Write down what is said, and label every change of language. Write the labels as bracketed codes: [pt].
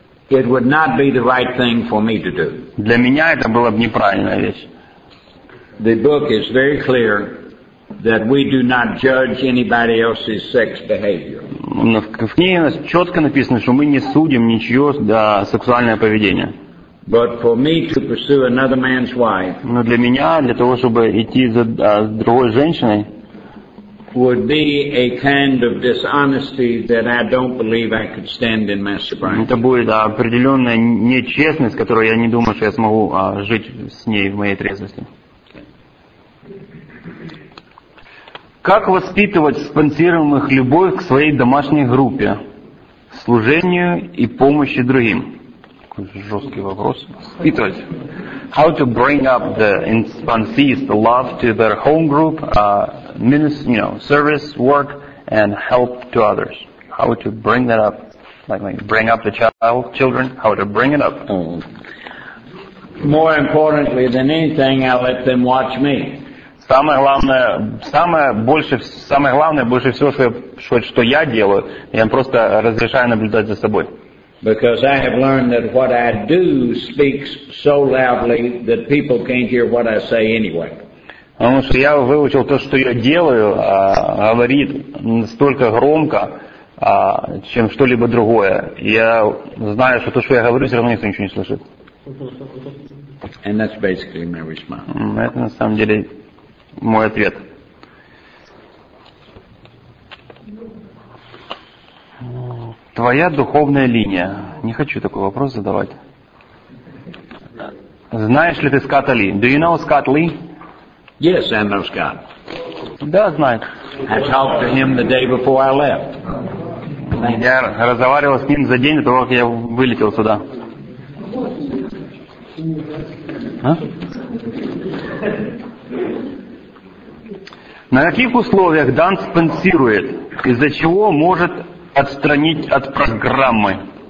[en] It would not be the right thing for me to do. [ru] Для меня это было бы неправильная вещь. [en] The book is very clear that we do not judge anybody else's sex behavior. [ru] В книге четко написано, что мы не судим ничьё сексуальное поведение. [en] But for me to pursue another man's wife. [ru] Но для меня, для того, чтобы идти за другой женщиной, [en] would be a kind of dishonesty that I don't believe I could stand in my sobriety. [ru] Это будет определенная нечестность, которую я не думаю, что я смогу жить с ней в моей трезвости. Как воспитывать спонсируемых любовь к своей домашней группе, служению и помощи другим? Жесткий вопрос. Воспитывать. [en] How to bring up the sponsees the love to their home group, ministry, service, work, and help to others. how to bring that up, like bring up the children, how to bring it up. More importantly than anything, I let them watch me. [ru] Самое главное, больше всего, что я делаю, я им просто разрешаю наблюдать за собой. [en] Because I have learned that what I do speaks so loudly that people can't hear what I say anyway. [ru] Потому что я выучил то, что я делаю, говорит настолько громко, чем что-либо другое. Я знаю, что то, что я говорю, все равно никто ничего не слышит. [en] And that's basically my response. [ru] Это на самом деле мой ответ. Твоя духовная линия. Не хочу такой вопрос задавать. Знаешь ли ты Скотта Ли? [en] Do you know Scott Lee? Yes, I know Scott. [ru] Да, знаю. [en] I talked to him the day before I left. [ru] Я разговаривал с ним за день до того, как я вылетел сюда. А? На каких условиях Дан спонсирует? Из-за чего может отстранить от программы?